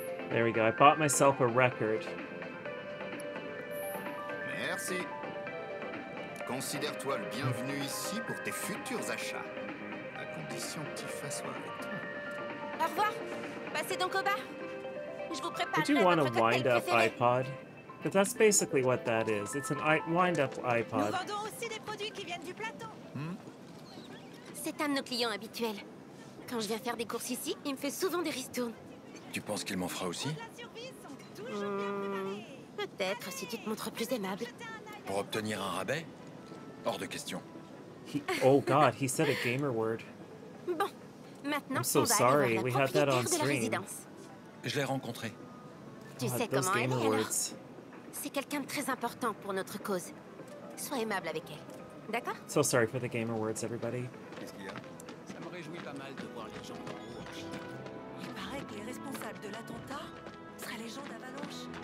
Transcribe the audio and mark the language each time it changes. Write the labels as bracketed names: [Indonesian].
[English] There we go, I bought myself a record. [French] Merci. Considère-toi le bienvenu ici pour tes futurs achats. À condition que Tifa soit avec toi. Au revoir. Passez donc au bar. Je vous prépare. [English] Would you want a wind-up iPod? But that's basically what that is. It's an wind-up iPod. [French] Nous vendons aussi des produits qui viennent du plateau. C'est un de nos clients habituels. Quand je viens faire des courses ici, il me fait souvent des ristournes. Tu penses qu'il m'en fera aussi? Peut-être si tu te montres plus aimable. Pour obtenir un rabais? Hors de question. [English] Oh god, he said a gamer word. [French] Bon, maintenant [English] I'm so sorry, we had that on stream. [French] Je l'ai rencontré. Tu sais comment elle est, alors? C'est quelqu'un de très important pour notre cause. Sois aimable avec elle, d'accord? [English] So sorry for the gamer words, everybody. [French] Qu'est-ce qu'il y a? Ça me réjouit pas mal de voir les gens dans l'Avalanche. Il paraît que les responsables de l'attentat seraient les gens d'Avalanche.